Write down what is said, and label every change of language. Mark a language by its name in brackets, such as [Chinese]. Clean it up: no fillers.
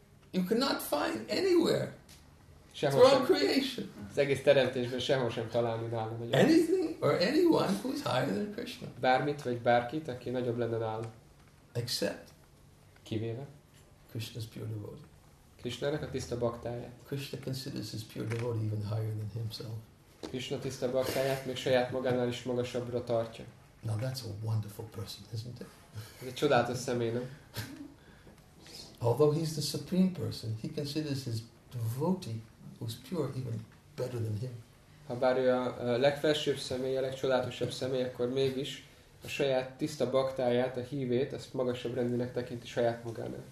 [English] You cannot find anywhere throughout creation. [Hungarian] Az egész teremtésben sehol sem találni nála. [English] Anything or anyone who is higher than Krishna. [Hungarian] Bármit vagy bárkit, aki nagyobb lenne nála. [English] Except. [Hungarian] Kivéve. [English] Krishna's pure devotee. [Hungarian] Krishna-nak a tiszta baktája. [English] Krishna considers his pure devotee even higher than himself. [Hungarian] Krishna tiszta baktáját még saját magánál is magasabbra tartja. [English] Now that's a wonderful person, isn't it? [Hungarian] Ez egy csodálatos személy, nem? [English] Although he's the supreme person, he considers his devotee who's pure even better than him. [Hungarian] Ha bár ő a legfelsőbb személy, a legcsodálatosabb személy, akkor mégis a saját tiszta baktáját, a hívét, azt magasabb rendűnek tekinti saját magánál.